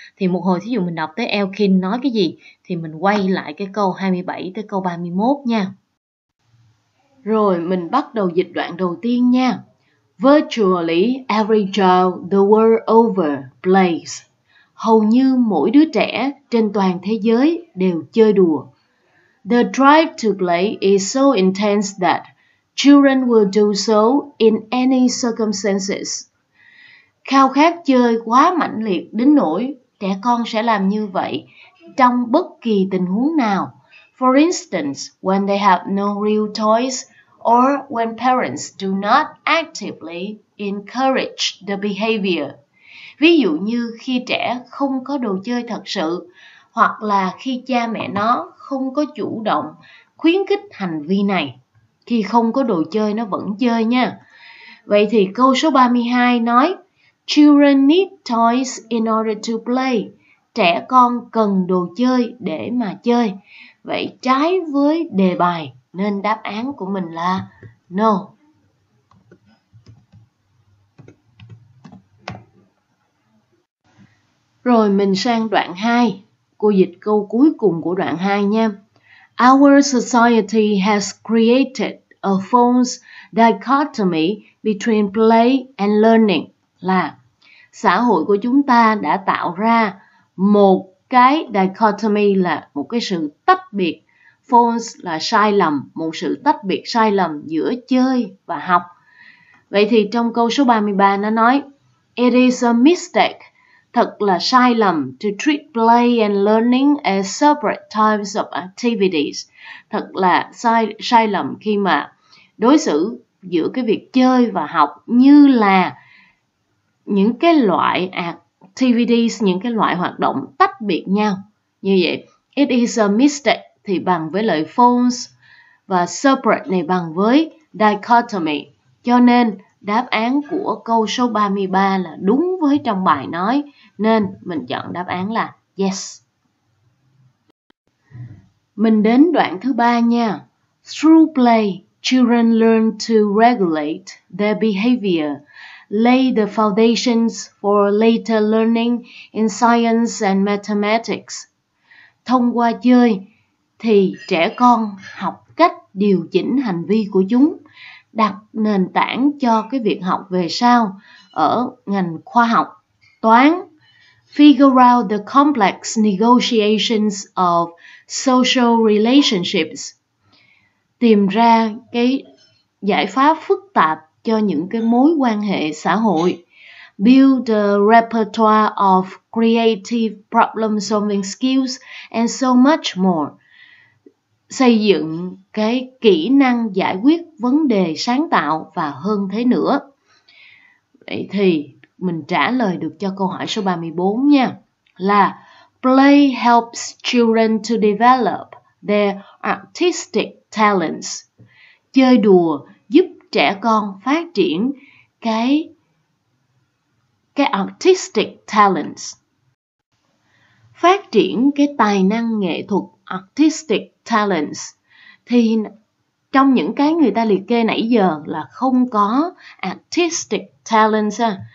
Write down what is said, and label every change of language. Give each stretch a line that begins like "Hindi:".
Vietnamese: Thì một hồi thí dụ mình đọc tới Elkin nói cái gì thì mình quay lại cái câu 27 tới câu 31 nha. Rồi mình bắt đầu dịch đoạn đầu tiên nha.
English: Virtually every child the world over plays.
Vietnamese: Hầu như mỗi đứa trẻ trên toàn thế giới đều chơi đùa.
English: The drive to play is so intense that children will do so in any circumstances.
Vietnamese: Khao khát chơi quá mãnh liệt đến nỗi trẻ con sẽ làm như vậy trong bất kỳ tình huống nào.
English: For instance, when they have no real toys or when parents do not actively encourage the behavior.
Vietnamese: Ví dụ như khi trẻ không có đồ chơi thật sự, hoặc là khi cha mẹ nó không có chủ động khuyến khích hành vi này. Khi không có đồ chơi nó vẫn chơi nha. Vậy thì câu số 32 nói,
English: Children need toys in order to play.
Vietnamese: Trẻ con cần đồ chơi để mà chơi. Vậy trái với đề bài nên đáp án của mình là no. Rồi mình sang đoạn 2. Cô dịch câu cuối cùng của đoạn 2 nha.
English: Our society has created a false dichotomy between play and learning.
Vietnamese: Là xã hội của chúng ta đã tạo ra một cái dichotomy, là một cái sự tách biệt. False là sai lầm, một sự tách biệt sai lầm giữa chơi và học. Vậy thì trong câu số 33 nó nói
English: It is a mistake.
Vietnamese: Thật là sai lầm
English: to treat play and learning as separate types of activities.
Vietnamese: Thật là sai lầm khi mà đối xử giữa cái việc chơi và học như là những cái loại activities, những cái loại hoạt động tách biệt nhau. Như vậy,
English: it is a mistake
Vietnamese: thì bằng với lời false và separate này bằng với dichotomy. Cho nên đáp án của câu số 33 là đúng với trong bài nói, nên mình chọn đáp án là yes. Mình đến đoạn thứ 3 nha.
English: Through play, children learn to regulate their behavior, lay the foundations for later learning in science and mathematics.
Vietnamese: Thông qua chơi thì trẻ con học cách điều chỉnh hành vi của chúng, đặt nền tảng cho cái việc học về sau ở ngành khoa học, toán,
English: figure out the complex negotiations of social relationships,
Vietnamese: tìm ra cái giải pháp phức tạp cho những cái mối quan hệ xã hội,
English: build a repertoire of creative problem-solving skills and so much more.
Vietnamese: Xây dựng cái kỹ năng giải quyết vấn đề sáng tạo và hơn thế nữa. Vậy thì mình trả lời được cho câu hỏi số 34 nha.
English: Là play helps children to develop their artistic talents.
Vietnamese: Chơi đùa giúp trẻ con phát triển cái artistic talents. Phát triển cái tài năng nghệ thuật artistic talents. Thì trong những cái người ta liệt kê nãy giờ là không có artistic talents ha.